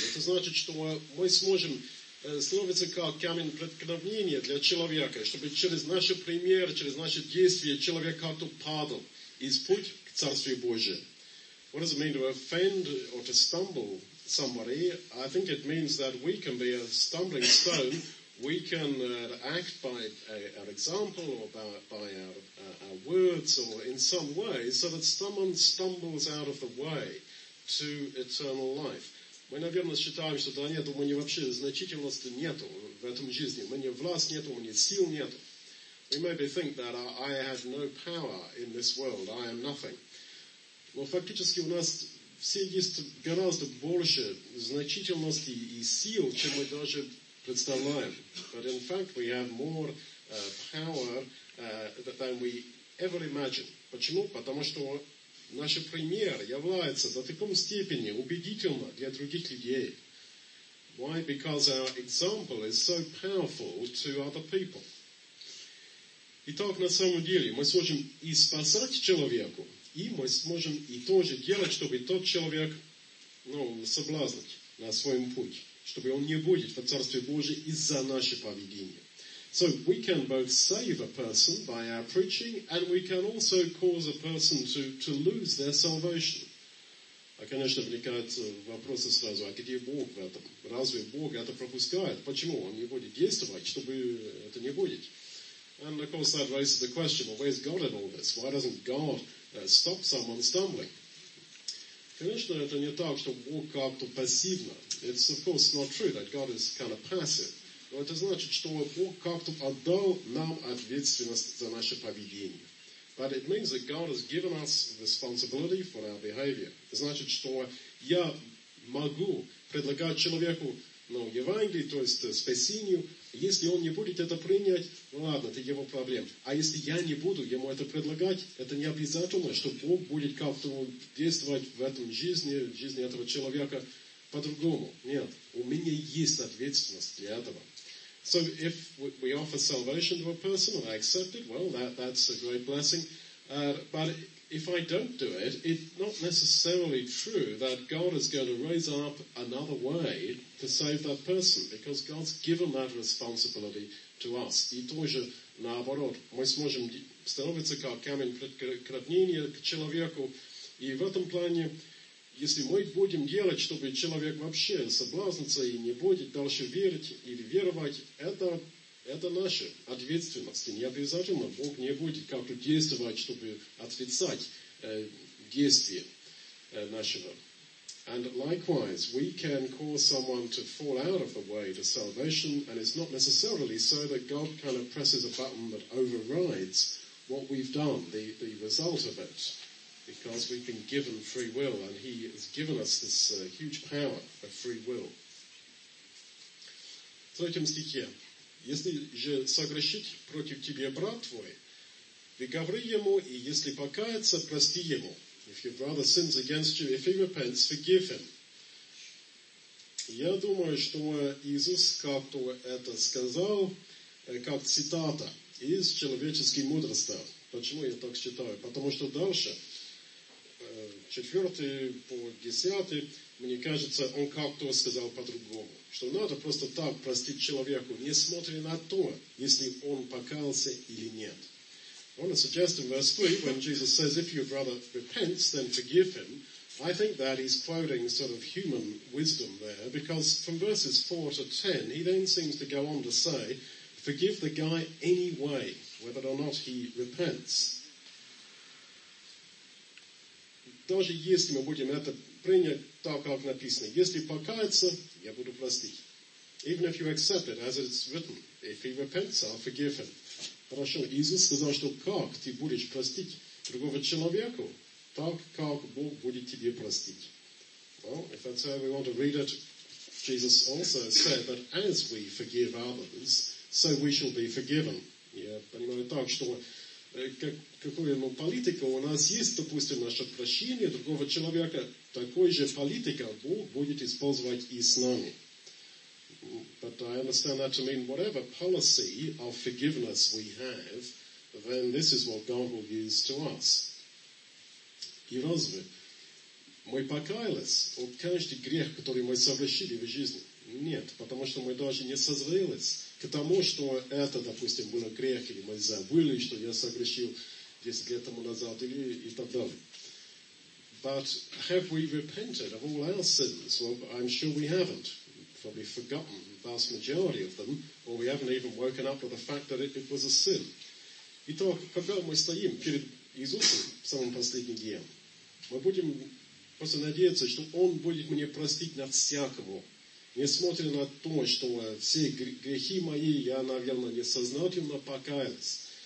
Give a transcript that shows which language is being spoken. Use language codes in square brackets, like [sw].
[ru] Это значит, что мы сможем словиться как камень преткновения для человека, чтобы через наш пример, через наши действия человек как-то падал из пути к Царствию Божию. [en] What does it mean to offend or to stumble somebody? I think it means that we can be a stumbling stone. We can act by our example or by our words or in some way so that someone stumbles out of the way to eternal life. [ru] Мы, наверное, считаем, что да нет, у меня вообще значительности нету в этом жизни. У меня власть нету, у меня сил нету. [en] We maybe think that I have no power in this world, I am nothing. [ru] Но фактически у нас все есть гораздо больше значительности и сил, чем мы даже представляем. [en] But in fact, we have more power than we ever imagine. [ru] Почему? Потому что наш пример является до таком степени убедительным для других людей. [en] Why? Because our example is so powerful to other people. [ru] Итак, на самом деле, мы сможем и спасать человеку, и мы сможем и тоже делать, чтобы тот человек, ну, соблазнить на своем пути, чтобы он не будет в Царстве Божьем из-за нашего поведения. [en] So we can both save a person by our preaching, and we can also cause a person to lose their salvation. [ru] А, конечно, возникает вопрос сразу, а где Бог в этом? Разве Бог это пропускает? Почему он не будет действовать, чтобы это не будет? [en] And of course that raises the question, well, where's God in all this? Why doesn't God stop someone stumbling? [ru] Конечно, это не так, что Бог как-то пассивно. [en] It's of course not true that God is kind of passive. [ru] Но это значит, что Бог как-то отдал нам ответственность за наше поведение. [en] But it means that God has given us responsibility for our behavior. [ru] Это значит, что я могу предлагать человеку, ну, Евангелие, то есть спасению. Если он не будет это принять, ну ладно, это его проблема. А если я не буду ему это предлагать, это не обязательно, что Бог будет как-то действовать в этом жизни, в жизни этого человека по-другому. Нет, у меня есть ответственность для этого. [en] So if we offer salvation to a person and I accept it, well, that's a great blessing. But if I don't do it, it's not necessarily true that God is going to raise up another way to save that person, because God's given that responsibility to us. [ru] И тоже наоборот. Мы сможем становиться как камень преткновения к человеку. И в этом плане, если мы будем делать, чтобы человек вообще соблазнится и не будет дальше верить или веровать, это наша ответственность. И не обязательно Бог не будет как-то действовать, чтобы отрицать действие нашего. [en] And likewise, we can cause someone to fall out of the way to salvation, and it's not necessarily so that God kind of presses a button that overrides what we've done, the result of it. Because we've been given free will, and he has given us this huge power of free will. [ru] В третьем стихе. Если же согрешит против тебя брат твой, ты говори ему, и если покается, прости ему. [en] If your brother sins against you, if he repents, forgive him. [ru] Я думаю, что Иисус как-то это сказал, как цитата из человеческой мудрости. Почему я так считаю? Потому что дальше, 4-10, мне кажется, он как-то сказал по-другому, что надо просто так простить человеку, несмотря на то, если он покаялся или нет. [en] I want to suggest in verse 3, when Jesus says, if your brother repents, then forgive him, I think that he's quoting sort of human wisdom there, because from verses 4 to 10, he then seems to go on to say, forgive the guy anyway, whether or not he repents. [ru] Даже если мы будем это принять так, как написано, если покаяться, я буду простить. [en] Even if you accept it as it's written, if he repents, I'll forgive him. [ru] Хорошо, Иисус сказал, что как ты будешь простить другого человека, так как Бог будет тебе простить. [en] Well, if that's how we want to read it, Jesus also said that as we forgive others, so we shall be forgiven. [ru] Я понимаю так, что какую ему политику, у нас есть, допустим, наше прощение другого человека, такой же политика Бог будет использовать и с нами. But I understand that to mean whatever policy of forgiveness we have, then this is what God will use to us. И разве мы покаялись от каждый грех, который мы совершили в жизни? Нет, потому что мы даже не созрелись к тому, что это, допустим, был грех, или мы забыли, что я согрешил 10 лет тому назад, и так далее. [en] But have we repented of all our sins? Well, I'm sure we haven't. Probably forgotten the vast majority of them, or we haven't even woken up with the fact that it was a sin. [ru] Итак, когда мы стоим перед Иисусом в самом последнем дне, мы будем просто надеяться, что Он будет мне простить на всякого. Несмотря на то, что все грехи мои, я, наверное, несознательно покаялся.